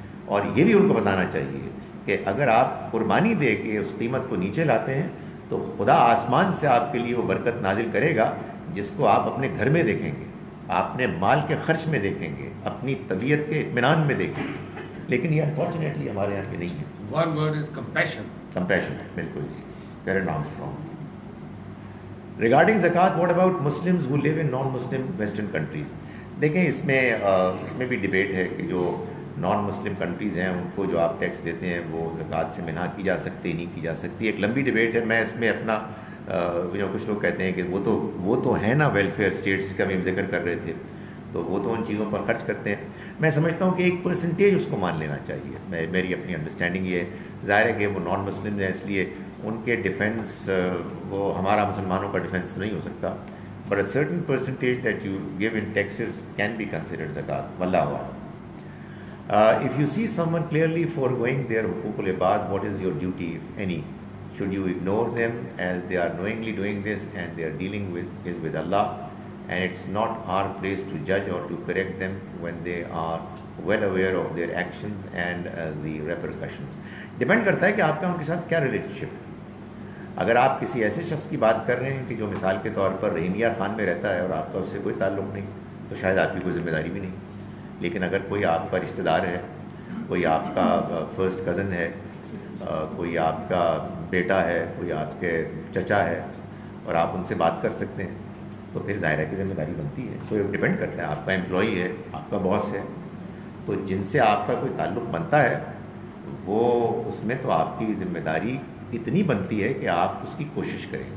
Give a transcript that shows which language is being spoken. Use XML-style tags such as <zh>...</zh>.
<hi>और ये भी उनको बताना चाहिए कि अगर आप कुर्बानी दे के उस कीमत को नीचे लाते हैं तो खुदा आसमान से आपके लिए वो बरकत नाजिल करेगा जिसको आप अपने घर में देखेंगे, अपने माल के खर्च में देखेंगे, अपनी तबीयत के इत्मीनान में देखेंगे। लेकिन ये अनफॉर्चुनेटली हमारे यहाँ के नहीं है।</hi> <en>One word is compassion. Compassion,</en> <hi>बिल्कुल जी,</hi> <en>where it comes from. Regarding zakat, what about Muslims who live in non-Muslim Western countries?</en> <hi>देखें इसमें इसमें भी डिबेट है कि जो</hi> <en>non-Muslim countries</en> <hi>हैं उनको जो आप टैक्स देते हैं वो zakat से मना की जा सकती है, नहीं की जा सकती, एक लंबी डिबेट है। मैं इसमें अपना कुछ लोग कहते हैं कि वो तो है ना वेलफेयर स्टेट्स का भी हम जिक्र कर रहे थे, तो वो तो उन चीज़ों पर खर्च करते हैं। मैं समझता हूँ कि एक परसेंटेज उसको मान लेना चाहिए, मेरी अपनी अंडरस्टैंडिंग ये है। ज़ाहिर है कि वो नॉन मुस्लिम हैं इसलिए उनके डिफेंस वो हमारा मुसलमानों का डिफेंस नहीं हो सकता,</hi> <en>But a certain percentage that you give in taxes can be considered ज़कात।</en> <ar>वल्लाहु अलम।</ar> <en>If you see someone clearly for going there हुकूकुल इबाद, what is your duty if any? Should you ignore them as they are knowingly doing this and they are dealing with अल्लाह? And it's not our place to judge or to correct them when they are well aware of their actions and the repercussions.</en> <hi>Depend करता है कि आपका उनके साथ क्या relationship है। अगर आप किसी ऐसे शख्स की बात कर रहे हैं कि जो मिसाल के तौर पर रहीमिया खान में रहता है और आपका उससे कोई ताल्लुक नहीं, तो शायद आपकी कोई ज़िम्मेदारी भी नहीं। लेकिन अगर कोई आपका रिश्तेदार है, कोई आपका फर्स्ट कज़न है, कोई आपका बेटा है, कोई आपके चचा है, और आप उनसे बात कर सकते हैं, तो फिर ज़ाहिर है कि ज़िम्मेदारी बनती है। तो ये डिपेंड करता है, आपका एम्प्लॉई है, आपका बॉस है, तो जिनसे आपका कोई ताल्लुक़ बनता है वो उसमें तो आपकी ज़िम्मेदारी इतनी बनती है कि आप उसकी कोशिश करें।</hi>